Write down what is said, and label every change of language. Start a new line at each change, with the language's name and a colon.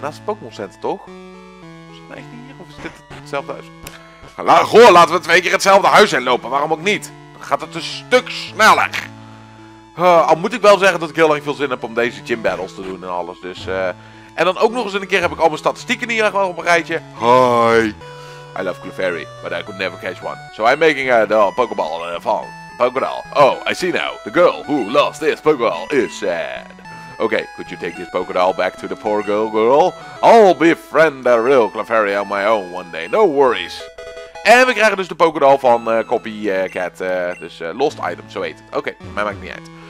Dutch: Naast het Pokémon Center, toch? Is het nou echt hier? Of is dit hetzelfde huis? Goh, laten we 2 keer hetzelfde huis inlopen. Waarom ook niet? Dan gaat het een stuk sneller. Al moet ik wel zeggen dat ik heel erg veel zin heb om deze gym battles te doen en alles. Dus... En dan ook nog eens een keer heb ik al mijn statistieken hier gewoon op een rijtje.
English: Hi. I love Clefairy, but I could never catch one. So I'm making a Pokeball van Pokédoll. Oh, I see now. The girl who lost this Pokeball is sad. Okay, could you take this Pokédoll back to the poor girl? I'll befriend a real Clefairy on my own one day. No worries.
Dutch: En we krijgen dus de Pokédoll van Copycat. Lost item, zo heet het. Oké, mij maakt niet uit.